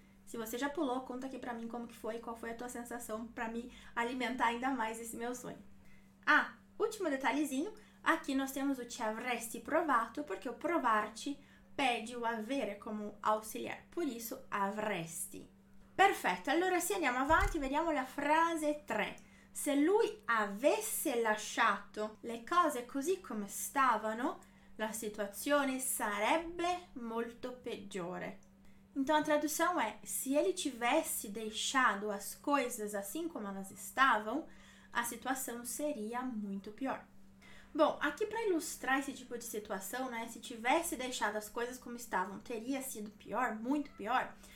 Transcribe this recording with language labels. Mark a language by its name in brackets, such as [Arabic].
[Portuguese] Se você já pulou, conta aqui pra mim como que foi, qual foi a tua sensação para me alimentar ainda mais esse meu sonho. Ah, último detalhezinho. Aqui nós temos o [Italian] ti avresti provato, [Portuguese] porque o provarti pede o avere como auxiliar, por isso avresti. [Italian] Perfetto, allora se andiamo avanti, vediamo la frase 3. Se lui avesse lasciato le cose così come stavano, la situazione sarebbe molto peggiore. [Portuguese] Então a tradução è: se ele tivesse deixado as coisas assim como elas estavam, a situação seria muito pior. Bom, aqui para ilustrar esse tipo de situação, né? Se tivesse deixado as coisas como estavam, teria sido pior, muito pior.